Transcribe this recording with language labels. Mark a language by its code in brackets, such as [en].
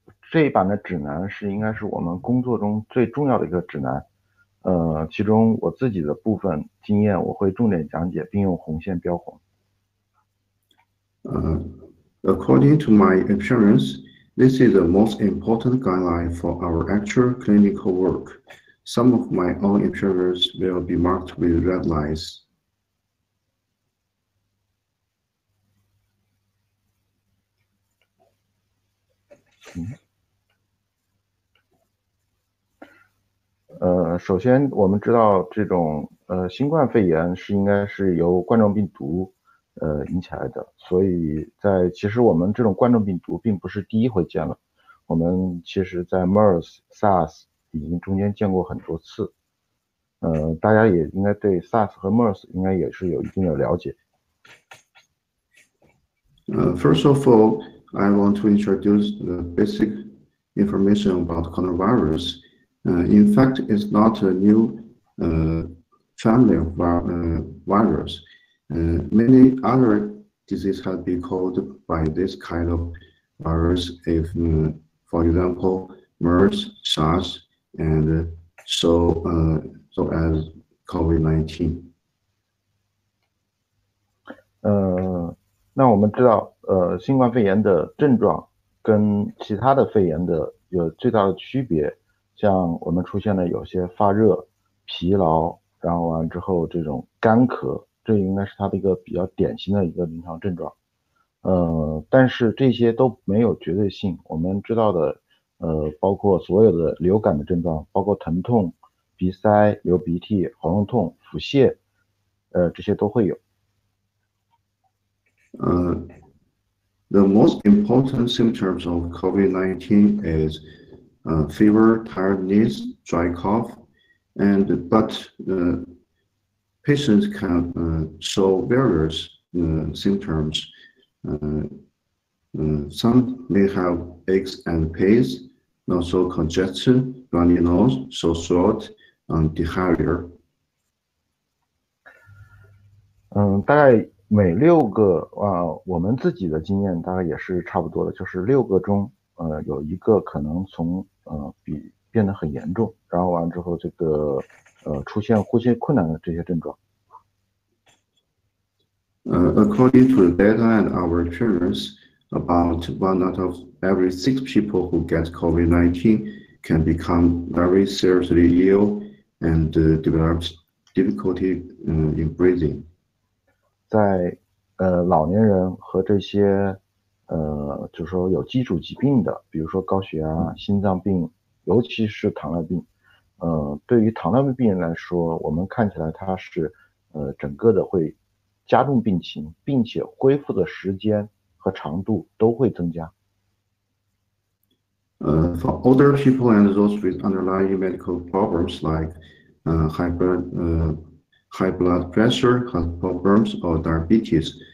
[zh] 这一版的指南是应该是我们工作中最重要的一个指南，其中我自己的部分经验我会重点讲解，并用红线标红。 [en] According to my experience, this is the most important guideline for our actual clinical work. Some of my own experience will be marked with red lines. [zh] 首先我们知道这种新冠肺炎是应该是由冠状病毒引起来的，所以在其实我们这种冠状病毒并不是第一回见了，我们其实在 MERS、SARS 已经中间见过很多次，大家也应该对 SARS 和 MERS 应该也是有一定的了解。 [en] First of all, I want to introduce the basic information about coronavirus. In fact, it's not a new family of virus. Many other diseases have been called by this kind of virus, if, for example, MERS, SARS, and so as COVID-19. [zh] 那我们知道，新冠肺炎的症状跟其他的肺炎的有最大的区别。像我们出现了有些发热、疲劳，然后完之后这种干咳，这应该是它的一个比较典型的一个临床症状。但是这些都没有绝对性。我们知道的，包括所有的流感的症状，包括疼痛、鼻塞、流鼻涕、喉咙痛、腹泻，这些都会有。 [en] The most important symptoms of COVID-19 is. Fever, tiredness, dry cough, but patients can show various symptoms. Some may have aches and pains, also congestion, runny nose, sore throat, and diarrhea. [zh] 大概每六个我们自己的经验大概也是差不多的，就是六个中有一个可能从变得很严重，然后完之后这个出现呼吸困难的这些症状。 [en] According to the data and our experience, about one out of every six people who get COVID-19 can become very seriously ill and develop difficulty in breathing. [zh] 在老年人和这些就是说有基础疾病的，比如说高血压、心脏病，尤其是糖尿病。对于糖尿病病人来说，我们看起来他是整个的会加重病情，并且恢复的时间和长度都会增加。 [en] For older people and those with underlying medical problems like high blood pressure, heart problems, or diabetes.